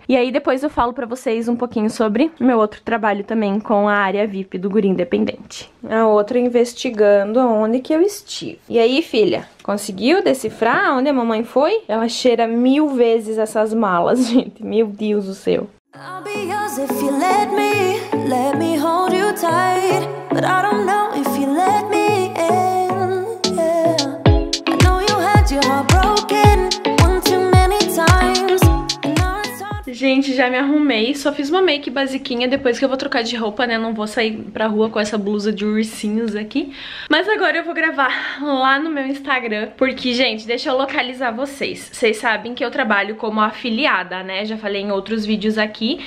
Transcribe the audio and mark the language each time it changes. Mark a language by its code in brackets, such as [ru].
[pt] E aí depois eu falo pra vocês um pouquinho sobre meu outro trabalho também com a área VIP do Guri Independente. A outra investigando onde que eu estive. E aí, filha, conseguiu decifrar onde a mamãe foi? Ela cheira mil vezes essas malas, gente. Meu Deus do céu. [en] I'll be yours if you let me hold you tight, but I don't know if you let me in, yeah. I know you had your heart broken one too many times. [pt] Gente, já me arrumei, só fiz uma make basiquinha, depois que eu vou trocar de roupa, né, não vou sair pra rua com essa blusa de ursinhos aqui. Mas agora eu vou gravar lá no meu Instagram, porque, gente, deixa eu localizar vocês. Vocês sabem que eu trabalho como afiliada, né, já falei em outros vídeos aqui.